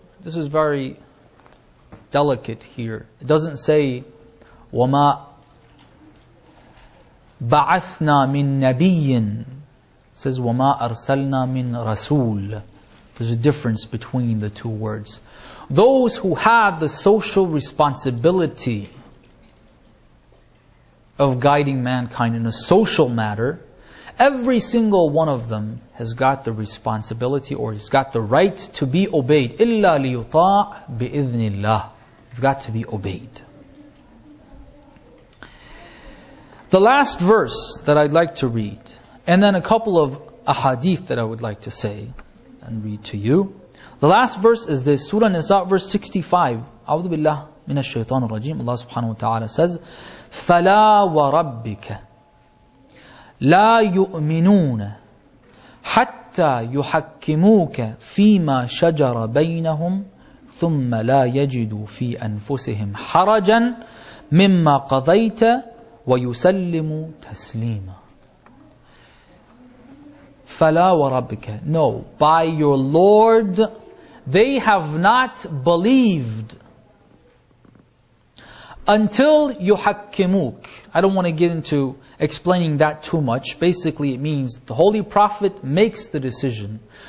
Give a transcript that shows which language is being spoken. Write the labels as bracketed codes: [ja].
[en] This is very delicate here. It doesn't say [ar] وما بعثنا من نبي. [en] It says [ar] وما أرسلنا من رسول. [en] There's a difference between the two words. Those who have the social responsibility of guiding mankind in a social matter, every single one of them has got the responsibility or has got the right to be obeyed. [ar] إِلَّا لِيُطَاعَ بِإِذْنِ اللَّهِ. [en] You've got to be obeyed. The last verse that I'd like to read, and then a couple of ahadith that I would like to say and read to you. The last verse is this, Surah Nisa, verse 65. [ar] أعوذ بالله من الشيطان الرجيم. [en] Allah subhanahu wa ta'ala says, [ar] فَلَا وَرَبِّكَ لَا يُؤْمِنُونَ حَتَّى يُحَكِّمُوكَ فِي مَا شَجَرَ بَيْنَهُمْ ثم لا يجدوا في أنفسهم حرجا مما قضيت ويسلموا تسليما. فلا وربك. [en] No, by your Lord, they have not believed until يحكموك. I don't want to get into explaining that too much. Basically, it means the Holy Prophet makes the decision.